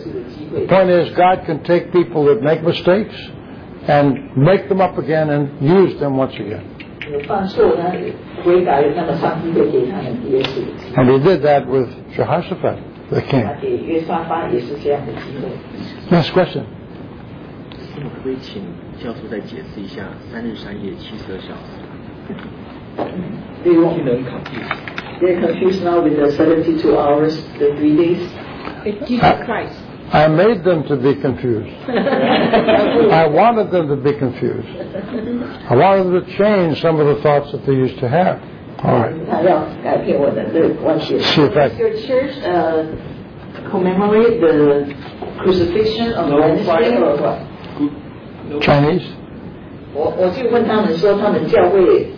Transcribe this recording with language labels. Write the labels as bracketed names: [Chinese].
[English] The point is, God can take people that make mistakes and make them up again and use them once again. And he did that with Jehoshaphat, the king. Next question. [Chinese] 天可不可以请教授再解释一下三日三夜七十二小时？ [English] Do you want to confuse? You're confused now with the 72 hours, the 3 days. It's Jesus Christ. I made them to be confused. I wanted them to be confused. I wanted them to change some of the thoughts that they used to have. All right. Does your church commemorate the crucifixion of Wednesday or what? Chinese? [Chinese] 我就问他们说他们教会。